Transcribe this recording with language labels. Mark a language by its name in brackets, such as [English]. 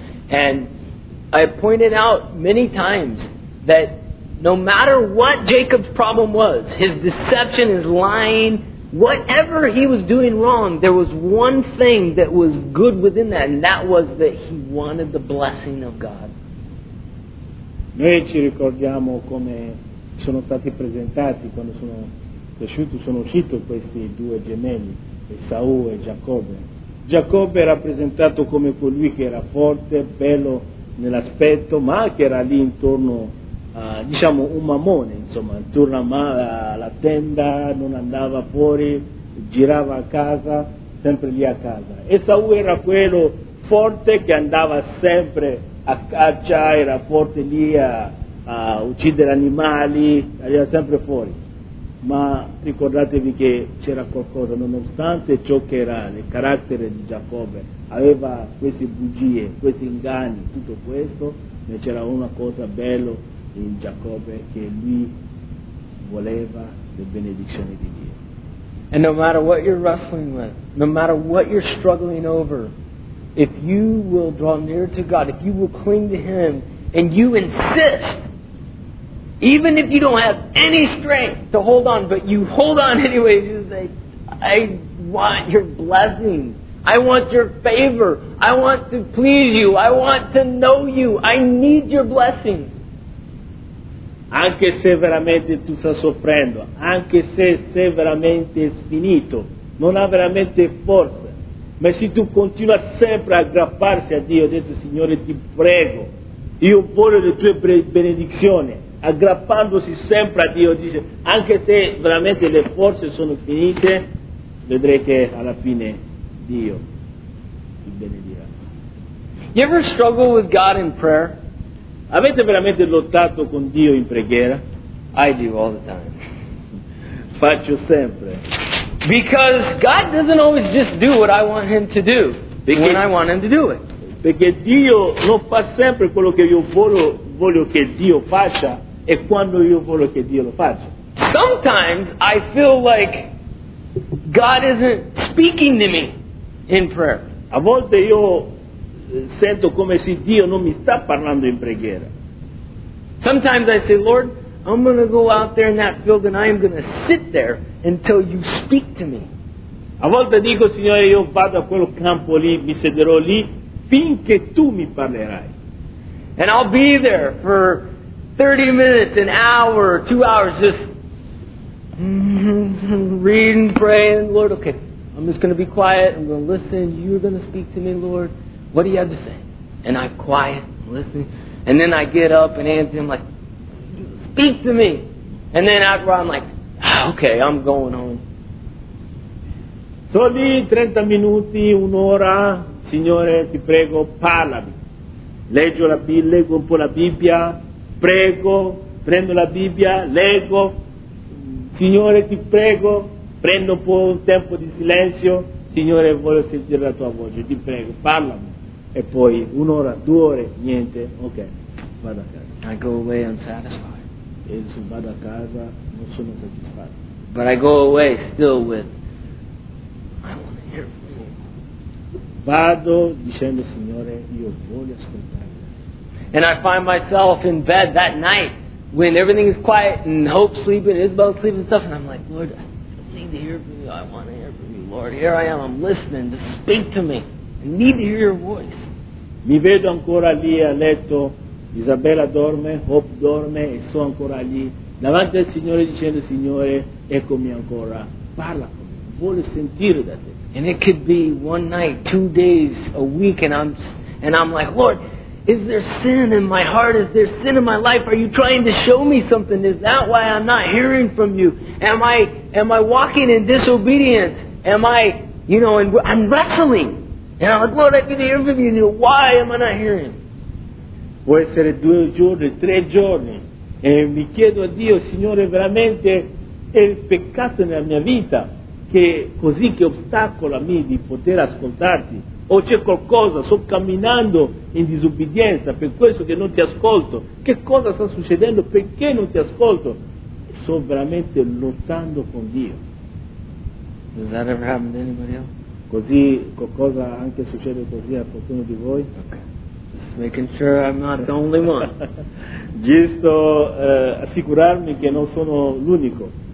[English] And I pointed out many times that no matter what Jacob's problem was, his deception, his lying, whatever he was doing wrong, there was one thing that was good within that, and that was that he wanted the blessing of God. [Italian] Noi ci ricordiamo come sono stati presentati quando sono cresciuti, sono usciti questi due gemelli, Esau e Giacobbe. Giacobbe era presentato come colui che era forte, bello nell'aspetto, ma che era lì intorno diciamo un mamone, insomma, intorno alla tenda, non andava fuori, girava a casa, sempre lì a casa. Esau era quello forte che andava sempre a caccia, era forte lì a uccidere animali, era sempre fuori. Ma ricordatevi che c'era qualcosa, nonostante ciò che era il carattere di Giacobbe, aveva queste bugie, questi inganni, tutto questo, ma c'era una cosa bella in Giacobbe che lui voleva le benedizioni di Dio. [English] And no matter what you're wrestling with, no matter what you're struggling over, if you will draw near to God, if you will cling to Him, and you insist, even if you don't have any strength to hold on, but you hold on anyway, you say, I want your blessing. I want your favor. I want to please you. I want to know you. I need your blessing. [Italian] Anche se veramente tu stai soffrendo, anche se sei veramente sfinito, non ha veramente forza, ma se tu continui sempre a aggrapparsi a Dio, detto Signore ti prego, io voglio le tue benedizioni, aggrappandosi sempre a Dio, dice, anche se veramente le forze sono finite, vedrai che alla fine Dio ti benedirà. [English] You ever struggle with God in prayer? [Italian] Avete veramente lottato con Dio in preghiera? [English] I do all the time. [Italian] Faccio sempre. [English] Because God doesn't always just do what I want Him to do, when I want Him to do it. [Italian] Perché Dio non fa sempre quello che io voglio che Dio faccia e quando io voglio che Dio lo faccia. [English] Sometimes I feel like God isn't speaking to me in prayer. [Italian] A volte io sento come se Dio non mi sta parlando in preghiera. [English] Sometimes I say, Lord, I'm going to go out there in that field and I am going to sit there until you speak to me. [Italian] A volte dico, Signore, io vado a quel campo lì, mi sederò lì finché tu mi parlerai. [English] And I'll be there for 30 minutes, an hour, 2 hours, just reading, praying, Lord, okay, I'm just going to be quiet, I'm going to listen, you're going to speak to me, Lord. What do you have to say? And I quiet, listen, and then I get up and answer him like, speak to me. And then after I'm like, okay, I'm going home. [Italian] Soli 30 minuti, un'ora, Signore, ti prego, parlami. Leggo la Bibbia, leggo un po' la Bibbia, prego, prendo la Bibbia, leggo. Signore, ti prego, prendo un po' un tempo di silenzio. Signore, voglio sentire la tua voce, ti prego, parlami. E poi un'ora, due ore, niente, ok, vado a casa. [English] I go away unsatisfied. [Italian] E se vado a casa, non sono soddisfatto. [English] But I go away still with, I want to hear from you. [Italian] Vado dicendo, Signore, io voglio ascoltare. [English] And I find myself in bed that night, when everything is quiet, and Hope's sleeping, Isabel's sleeping and stuff, and I'm like, Lord, I need to hear from you, I want to hear from you, Lord. Here I am, I'm listening, just speak to me. I need to hear your voice. [Italian] Mi vedo ancora lì a letto, Isabella dorme, Hope dorme, e sono ancora lì, davanti al Signore dicendo, Signore, eccomi ancora, parla con me, voglio sentire da te. [English] And it could be one night, 2 days, a week, and I'm like, Lord, is there sin in my heart? Is there sin in my life? Are you trying to show me something? Is that why I'm not hearing from you? Am I walking in disobedience? Am I, you know, and I'm wrestling. And I'm like, Lord, I need to hear from you. And you know, why am I not hearing? [Italian] Può essere 2 giorni, 3 giorni. E mi chiedo a Dio, Signore, veramente è il peccato nella mia vita che così che ostacola me di poter ascoltarti. O c'è qualcosa, sto camminando in disobbedienza, per questo che non ti ascolto. Che cosa sta succedendo? Perché non ti ascolto? Sto veramente lottando con Dio. [English] Does that ever happen to anybody else? [Italian] Così, qualcosa anche succede così a qualcuno di voi? [English] Okay. Just making sure I'm not the only one. [Italian] Giusto assicurarmi che non sono l'unico.